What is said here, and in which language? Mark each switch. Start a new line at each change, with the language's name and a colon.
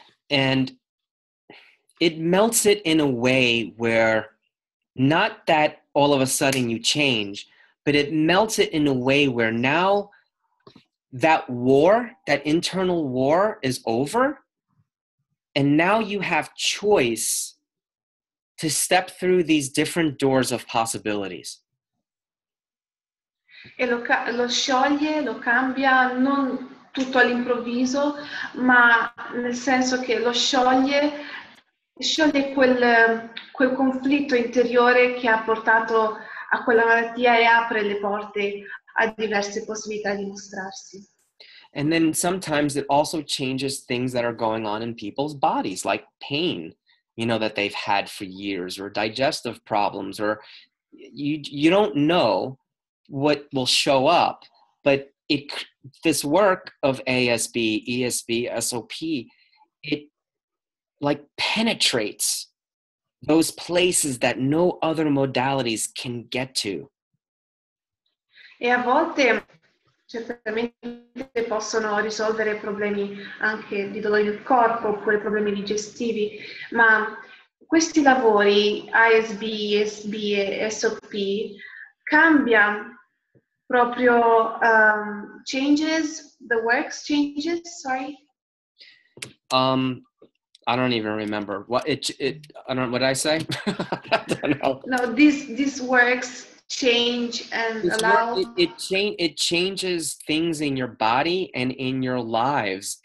English: And it melts it in a way where not that all of a sudden you change, but it melts it in a way where now that war, that internal war is over, and now you have choice to step through these different doors of possibilities.
Italian: E lo scioglie, lo cambia, non tutto all'improvviso, ma nel senso che lo scioglie quel conflitto interiore che ha portato a quella malattia e apre le porte a diverse possibilità di mostrarsi.
English: And then sometimes it also changes things that are going on in people's bodies, like pain, you know, that they've had for years, or digestive problems, or you don't know what will show up, but this work of ASB, ESB, SOP, it like penetrates those places that no other modalities can get to.
Italian: E a volte certamente possono risolvere problemi anche di dolore del corpo oppure problemi digestivi, ma questi lavori ASB, ESB e SOP cambia proprio
English: I don't even remember what it I don't what did I say. I don't know. No, this works change and this allow work, it changes things in your body and in your lives.